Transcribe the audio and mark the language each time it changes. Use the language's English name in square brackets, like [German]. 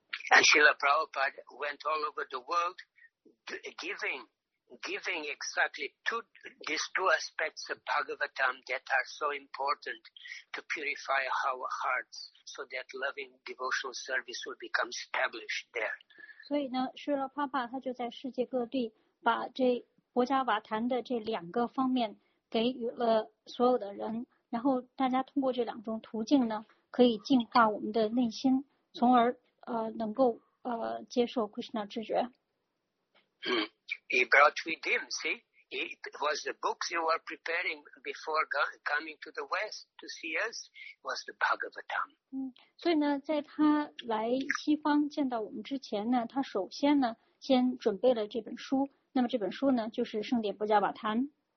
[English] And Srila Prabhupada went all over the world, giving exactly these two aspects of Bhagavatam that are so important to purify our hearts, so that loving devotional service will become established there. [Chinese] 所以呢，Srila Prabhupada他就在世界各地把这。博迦瓦坛的这两个方面给予了所有的人，然后大家通过这两种途径呢，可以净化我们的内心，从而能够接受 Krishna 知觉。 [English] He brought with him, see, it was the books you were preparing before coming to the West to see us, was the Bhagavatam. [Chinese] 所以呢，在他来西方见到我们之前呢，他首先呢先准备了这本书。那么这本书呢，就是《圣典波迦瓦坛》。